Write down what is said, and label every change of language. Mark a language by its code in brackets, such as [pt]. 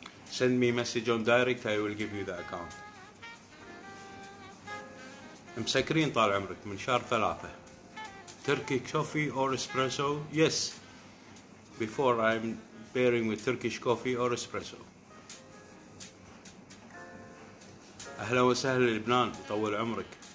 [en] Send me message on direct, I will give you the account. [ar] مسكرين طال عمرك من شهر ثلاثة. [en] Turkish coffee or espresso? Yes. Before I'm pairing with Turkish coffee or espresso. [ar] أهلا وسهلا لبنان، يطول عمرك.